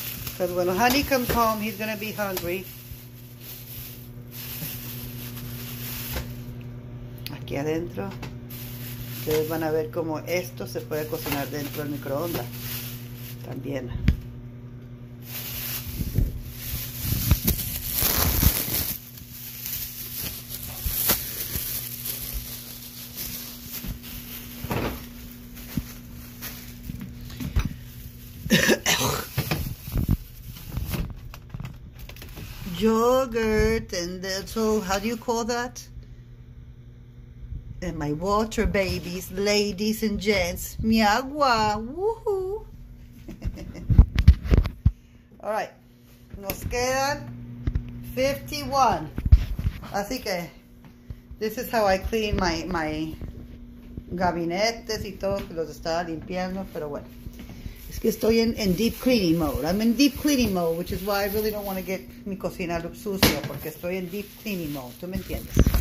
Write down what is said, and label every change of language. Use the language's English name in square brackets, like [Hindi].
[English] Because when honey comes home, he's going to be hungry. [Spanish] Aquí adentro, ustedes van a ver cómo esto se puede cocinar dentro del microondas. También. [English] Yogurt and so how do you call that? And my water babies, ladies and gents, [Spanish] mi agua, [English] woohoo. All right, [Spanish] nos quedan 51. Así que, [English] this is how I clean my [Spanish] gabinetes y todo, que los estaba limpiando, pero bueno. Es que estoy en [English] deep cleaning mode. I'm in deep cleaning mode, which is why I really don't want to get [Spanish] mi cocina sucia, porque estoy en [English] deep cleaning mode. [Spanish] ¿Tú me entiendes?